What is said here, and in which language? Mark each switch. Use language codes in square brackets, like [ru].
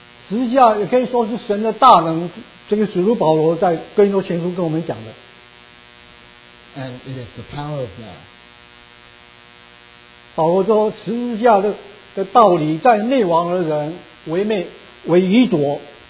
[zh] 十字架也可以说是神的大能，这个使徒保罗在哥林多前书跟我们讲的。 [en] And it is the power of God. [zh] 保罗说十字架的道理在内亡的人为愚拙。